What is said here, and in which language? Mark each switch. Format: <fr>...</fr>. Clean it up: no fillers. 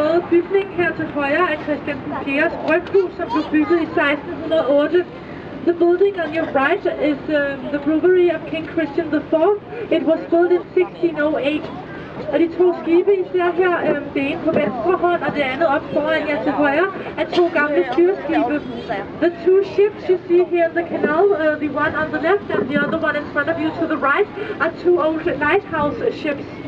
<da>bygning her til højre er Christian den 4.'s bryghus, som blev bygget i 1608.</da> <en>The building on your right is the brewery of King Christian the 4th. It was built in 1608.</en> <da>Og de to skibe, I ser her, det ene på venstre hånd og det andet op foran jer til højre, er to gamle styrskibe.</da> <en>The two ships you see here in the canal, the one on the left and the other one in front of you to the right, are two old lighthouse ships.</en>